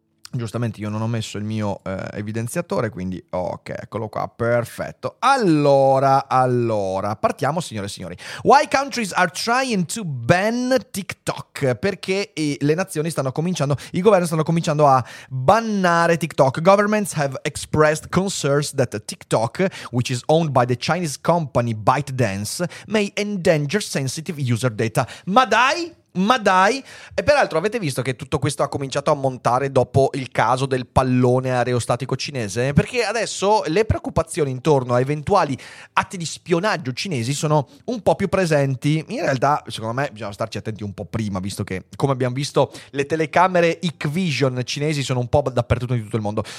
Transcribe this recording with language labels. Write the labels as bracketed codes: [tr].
[it] Giustamente io non ho messo il mio evidenziatore, quindi ok, eccolo qua, perfetto. Allora, partiamo signore e signori. [en] Why countries are trying to ban TikTok? [it] Perché i governi stanno cominciando a bannare TikTok. [en] Governments have expressed concerns that TikTok, which is owned by the Chinese company ByteDance, may endanger sensitive user data. [it] Ma dai! E peraltro avete visto che tutto questo ha cominciato a montare dopo il caso del pallone aerostatico cinese? Perché adesso le preoccupazioni intorno a eventuali atti di spionaggio cinesi sono un po' più presenti. In realtà, secondo me, bisogna starci attenti un po' prima, visto che, come abbiamo visto, le telecamere Hikvision cinesi sono un po' dappertutto in tutto il mondo.